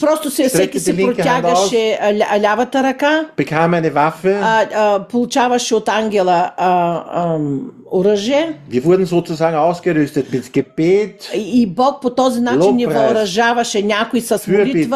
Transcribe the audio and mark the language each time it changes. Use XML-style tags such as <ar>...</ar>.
<bg>просто се, всеки се протягаше лявата ръка,</bg> <de>bekam eine Waffe,</de> <bg>получаваше от ангела оръжие.</bg> <de>Wir wurden sozusagen ausgerüstet mit Gebet,</de> <bg>и Бог по този начин Lobpreis, ни въоръжаваше, някой с молитва,</bg>